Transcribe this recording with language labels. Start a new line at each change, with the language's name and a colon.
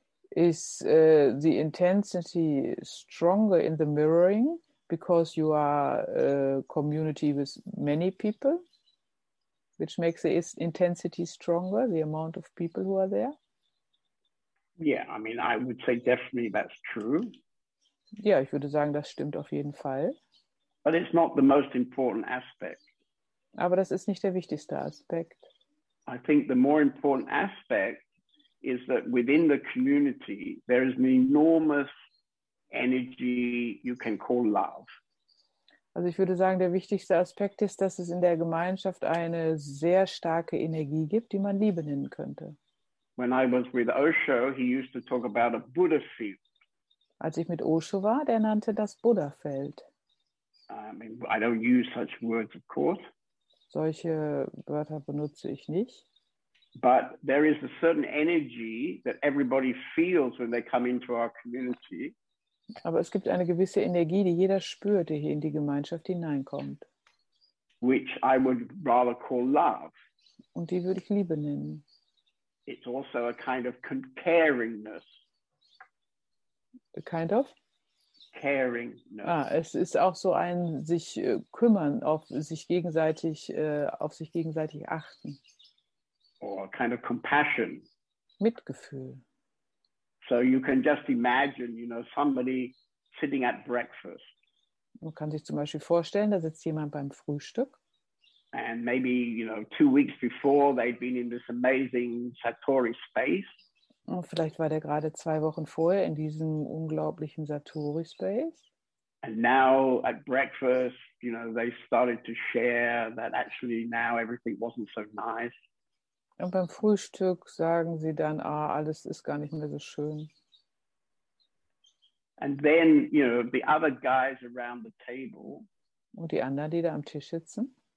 English: Is the intensity stronger in the mirroring because you are a community with many people? Which makes the intensity stronger, the amount of people who are there? Yeah, I mean, I would say definitely that's true.
German: Ja, ich würde sagen, das stimmt auf jeden Fall.
English: But it's not the most important aspect.
German: Aber das ist nicht der wichtigste Aspekt.
English: I think the more important aspect is that within the community there is an enormous energy you can call love.
German: Also ich würde sagen, der wichtigste Aspekt ist, dass es in der Gemeinschaft eine sehr starke Energie gibt, die man Liebe nennen könnte.
English: When I was with Osho, he used to talk about a Buddha field.
German: Als ich mit Osho war, der nannte das Buddha-Feld.
English: I mean, I don't use such words, of course.
German: Solche Wörter benutze ich nicht.
English: But there is a certain energy that everybody feels when they come into our community.
German: Aber es gibt eine gewisse Energie, die jeder spürt, die hier in die Gemeinschaft hineinkommt.
English: Which I would rather call love.
German: Und die würde ich Liebe nennen.
English: It's also a kind of caringness. A kind of? Caringness.
German: Ah, es ist auch so ein sich kümmern, auf sich gegenseitig achten.
English: Or a kind of compassion.
German: Mitgefühl.
English: So you can just imagine, you know, somebody sitting at breakfast.
German: Man kann sich zum Beispiel vorstellen, da sitzt jemand beim Frühstück.
English: And maybe, you know, 2 weeks before they'd been in this amazing Satori space.
German: Und vielleicht war der gerade 2 Wochen vorher in diesem unglaublichen Satori space.
English: And now at breakfast, you know, they started to share that actually now everything wasn't so nice.
German: Und beim Frühstück sagen sie dann, ah, alles ist gar nicht mehr so schön.
English: And then, you know, the other guys around the table,
German: und die anderen, die da am Tisch sitzen,